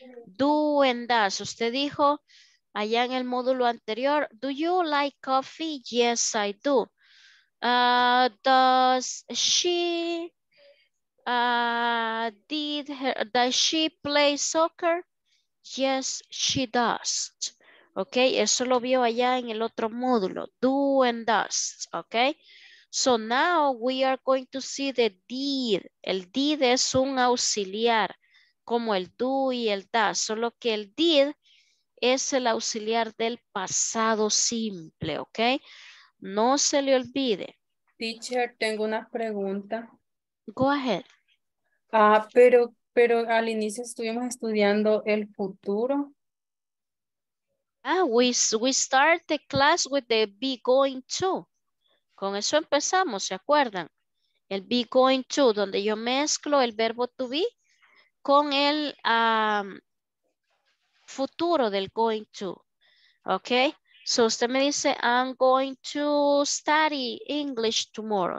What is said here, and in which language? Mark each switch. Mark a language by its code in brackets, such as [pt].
[en] Do and does. [es] Usted dijo allá en el módulo anterior, [en] do you like coffee? Yes, I do. Does she... does she play soccer? Yes, she does. [es] Ok, eso lo vio allá en el otro módulo. [en] Do and does. Ok. So now we are going to see the did. [es] El did es un auxiliar, como el do y el does. Solo que el did es el auxiliar del pasado simple. Ok. No se le olvide. Teacher, tengo una pregunta. [en] Go ahead. [es] Ah, pero al inicio estuvimos estudiando el futuro. [en] Ah, we start the class with the be going to. [es] Con eso empezamos, ¿se acuerdan? El be going to, donde yo mezclo el verbo to be con el futuro del going to. [en] Ok, so [es] usted me dice, [en] I'm going to study English tomorrow.